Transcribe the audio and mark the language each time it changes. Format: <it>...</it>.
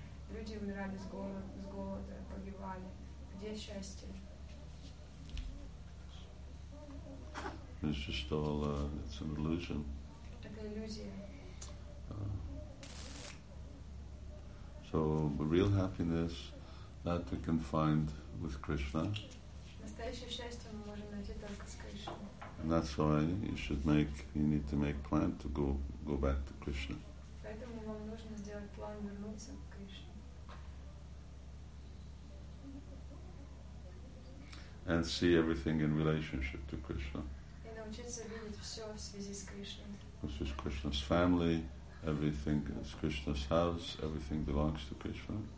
<ru>Люди умирали с голода, погибали. Где счастье?</ru> <en>It's just all, it's an illusion.</en> <ru>Это иллюзия.</ru> <en>So, the real happiness that we can find with Krishna.</en> <ru>Настоящее счастье мы можем найти только с Кришной.</ru> <en>And that's why you should make, you need to make plan to go back to Krishna.</en> <ru>Поэтому вам нужно сделать план вернуться к Кришне.</ru> <en>And see everything in relationship to Krishna. This is Krishna's family, everything is Krishna's house, everything belongs to Krishna.</en>